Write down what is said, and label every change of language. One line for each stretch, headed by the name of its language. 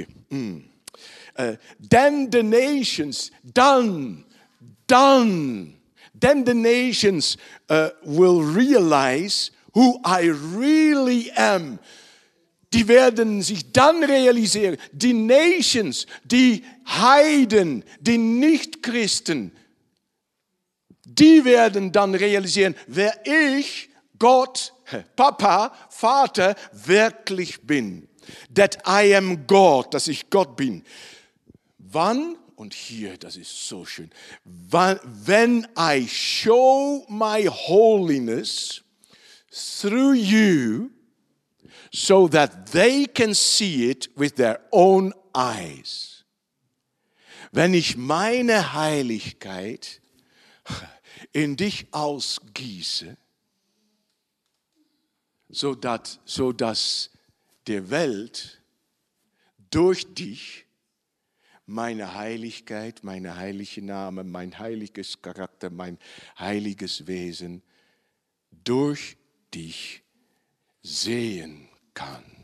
English: Then the nations will realize who I really am.
German: Die werden sich dann realisieren. Die Nations, die Heiden, die Nichtchristen, die werden dann realisieren, wer ich, Gott, Papa, Vater, wirklich bin.
English: That I am God,
German: dass ich Gott bin. Wann? Und hier, das ist so schön.
English: When I show my holiness through you, so that they can see it with their own eyes.
German: Wenn ich meine Heiligkeit in dich ausgieße, so dass der Welt durch dich meine Heiligkeit, meine heilige Name, mein heiliges Charakter, mein heiliges Wesen durch dich sehen kann.